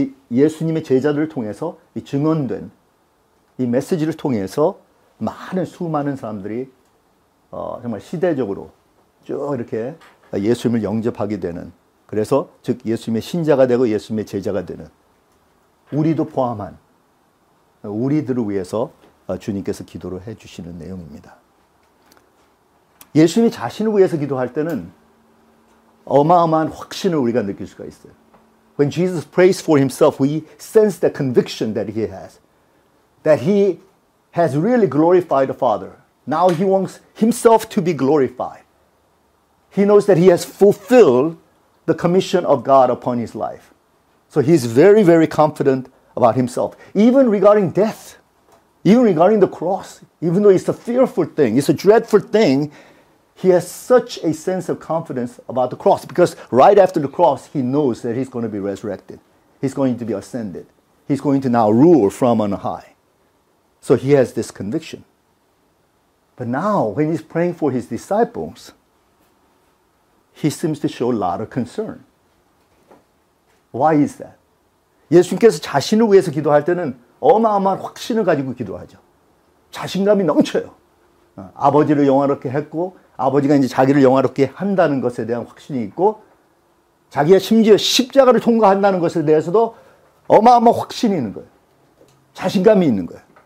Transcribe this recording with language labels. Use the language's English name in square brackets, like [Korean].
[Korean] 예수님의 제자들을 통해서 증언된 이 메시지를 통해서 수많은 사람들이 정말 시대적으로 쭉 이렇게 예수님을 영접하게 되는, 그래서 즉 예수님의 신자가 되고 예수님의 제자가 되는 우리도 포함한 우리들을 위해서 주님께서 기도를 해주시는 내용입니다. 예수님이 자신을 위해서 기도할 때는 어마어마한 확신을 우리가 느낄 수가 있어요. [English] When Jesus prays for himself, we sense the conviction that he has. That he has really glorified the Father. Now he wants himself to be glorified. He knows that he has fulfilled the commission of God upon his life. So he's very, very confident about himself. Even regarding death, even regarding the cross, even though it's a fearful thing, it's a dreadful thing, he has such a sense of confidence about the cross, because right after the cross, he knows that he's going to be resurrected. He's going to be ascended. He's going to now rule from on high. So he has this conviction. But now, when he's praying for his disciples, he seems to show a lot of concern. Why is that? [Korean] 예수님께서 자신을 위해서 기도할 때는 어마어마한 확신을 가지고 기도하죠. 자신감이 넘쳐요. 아버지를 영화롭게 했고, 아버지가 이제 자기를 영화롭게 한다는 것에 대한 확신이 있고, 자기가 심지어 십자가를 통과한다는 것에 대해서도 어마어마한 확신이 있는 거예요. 자신감이 있는 거예요.